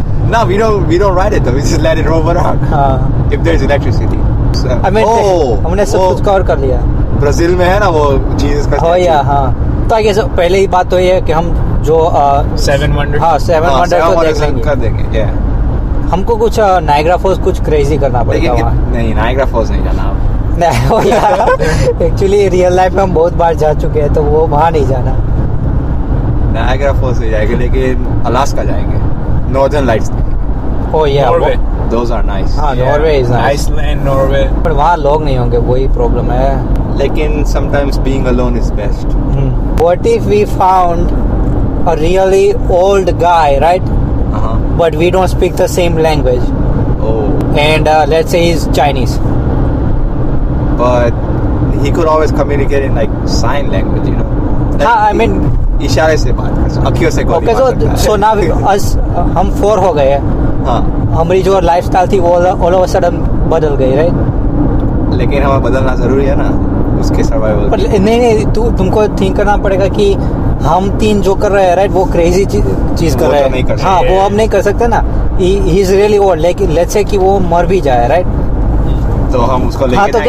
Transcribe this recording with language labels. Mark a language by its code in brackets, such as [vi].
[en] No, we don't ride it though. We just let it roll around. If there's electricity. I mean, [hi] हमने सब कुछ cover कर लिया. Brazil में है ना वो जीसस का. [en] Oh yeah, हाँ. [hi] तो आई गेस पहले ही बात तो ये है कि हम जो सेवन वंडर्स. हाँ, सेवन वंडर्स को देख लेंगे. कर देंगे. Yeah. हमको कुछ नायग्रा फॉल्स कुछ क्रेजी करना पड़ेगा वहाँ. नहीं, नायग्रा फॉल्स नहीं जाना आप. नहीं, [en] oh yeah. Actually, real life [hi] में हम बहुत बार जा चुके हैं, तो वो वहाँ नहीं जाना. नायग्रा फॉल्स नहीं जाएंगे, लेकिन अलास्का जाएंगे. [en] Northern lights. Oh yeah. Norway. Those are nice. Norway is nice. Iceland, Norway. [hi] But वहाँ लोग नहीं होंगे, वही problem है. लेकिन [en] sometimes being alone is best. Hmm. What if we found a really old guy, right? Uh-huh. But we don't speak the same language. Oh. And let's say he's Chinese. But he could always communicate in like sign language, you know. Like, हाँ, I mean. [hi] इशारे से बात कर सकते, अक्यों से कोई बात करता है. [en] So now us [hi] हम four हो गए हैं. हमारी जो lifestyle थी वो [en] all of a sudden [hi] बदल गई, right? लेकिन हमें बदलना जरूरी है ना उसके survival. पर नहीं नहीं, तुमको think करना पड़ेगा कि हम तीन जो कर रहे हैं, right? वो crazy चीज कर रहे हैं. हाँ, वो हम नहीं कर सकते ना. [en] He is really old. [hi] लेकिन [en] let's say [hi] कि वो मर भी जाए, right? तो हम उसको लेके आएंगे.